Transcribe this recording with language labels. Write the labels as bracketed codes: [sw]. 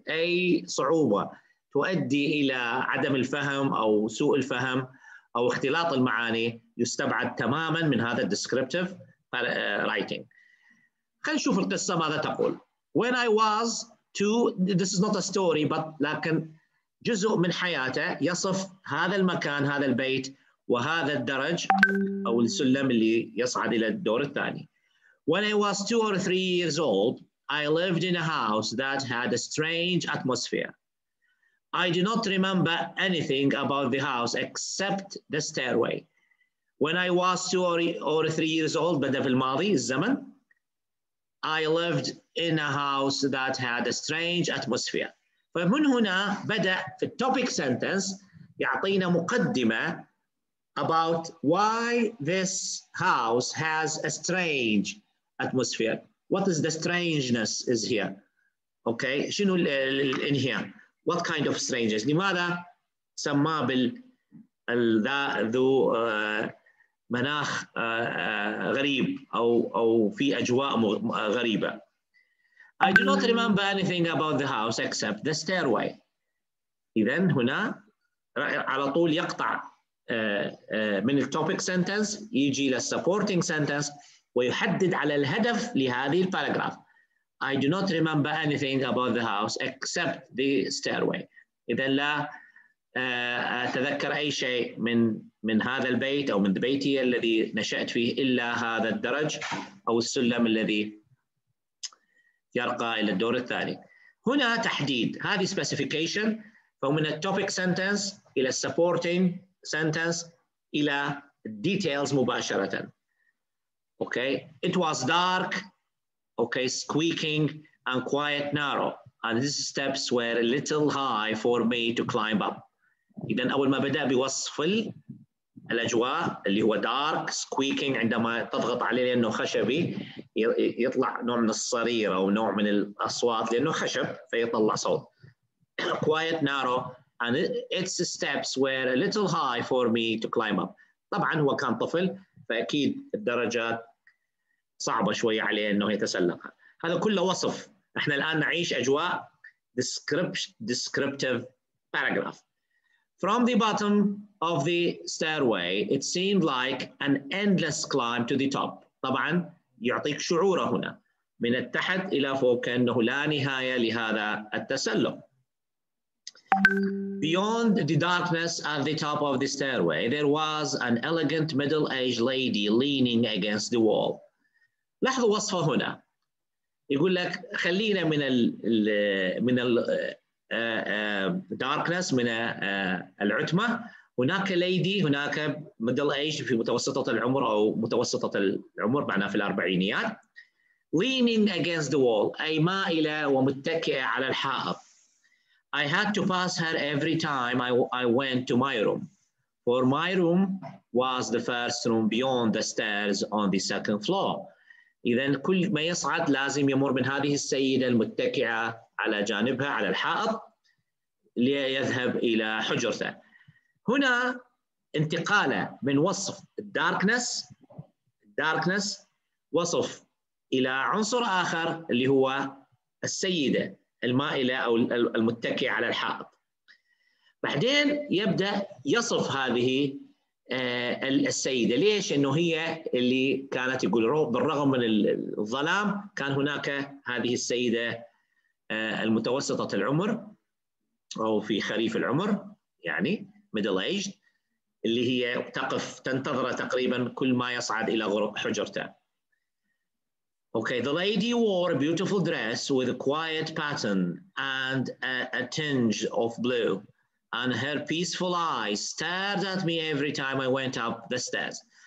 [ar] أي صعوبة تؤدي إلى عدم الفهم أو سوء الفهم أو اختلاط المعاني يستبعد تماماً من هذا [en] descriptive writing. [ar] خلينا نشوف القصة ماذا تقول. [en] When I was two, this is not a story, but [ar] لكن جزء من حياته يصف هذا المكان، هذا البيت وهذا الدرج أو السلم اللي يصعد إلى الدور الثاني. [en] When I was two or three years old, I lived in a house that had a strange atmosphere. I do not remember anything about the house except the stairway. When I was two or three years old, [ar] بدأ في الماضي الزمن, [en] I lived in a house that had a strange atmosphere. [ar] فمن هنا بدأ في topic sentence يعطينا مقدمة [en] about why this house has a strange atmosphere. What is the strangeness is here? Okay, [ar] شنو [en] in here? What kind of strangeness? [ar] لماذا سمى بال ذو مناخ غريب أو في أجواء غريبة. [en] I do not remember anything about the house except the stairway. [ar] إذن هنا على طول يقطع من topic sentence يجي إلى supporting sentence ويحدد على الهدف لهذه الparagraph. [en] I do not remember anything about the house except the stairway. [ar] إذن لا أتذكر أي شيء من هذا البيت أو من بيتي الذي نشأت فيه إلا هذا الدرج أو السلم الذي يرقى إلى الدور الثاني. هنا تحديد هذه specification فمن topic sentence إلى supporting sentence إلى details مباشرة. [en] Okay, it was dark. Okay, squeaking and quiet narrow. And these steps were a little high for me to climb up. [ar] إذن أول ما بدأ بوصف الأجواء اللي هو dark, squeaking عندما تضغط عليه لأنه خشبي يطلع نوع من الصرير أو نوع من الأصوات لأنه خشب فيطلع صوت. [en] Quiet narrow and its steps were a little high for me to climb up. [ar] طبعا هو كان طفل فأكيد الدرجات صعبة شوية عليه أنه يتسلقها. هذا كله وصف. إحنا الآن نعيش أجواء descriptive paragraph. [en] From the bottom of the stairway, it seemed like an endless climb to the top. [ar] طبعاً يعطيك شعوره هنا من التحت إلى فوق أنه لا نهاية لهذا التسلق. [en] Beyond the darkness at the top of the stairway, there was an elegant middle-aged lady leaning against the wall. [ar] لاحظوا وصفه هنا يقول لك خلينا من الـ من الـ darkness من العتمة هناك lady هناك middle age في متوسطة العمر أو متوسطة العمر معناه في الأربعينيات [en] leaning against the wall [ar] أي مائلة ومتكئة على الحائط. [en] I had to pass her every time I went to my room for my room was the first room beyond the stairs on the second floor. [ar] إذن كل ما يصعد لازم يمر من هذه السيدة المتكئة على جانبها على الحائط ليذهب إلى حجرته. هنا انتقاله من وصف darkness وصف إلى عنصر آخر اللي هو السيدة المائلة أو المتكئة على الحائط. بعدين يبدأ يصف هذه السيدة ليش إنه هي اللي كانت يقول بالرغم من الظلام كان هناك هذه السيدة المتوسطة العمر أو في خريف العمر يعني middle aged، اللي هي تقف تنتظر تقريبا كل ما يصعد إلى حجرته. [en] Okay, the lady wore a beautiful dress with a quiet pattern and a tinge of blue, and her peaceful eyes stared at me every time I went up the stairs.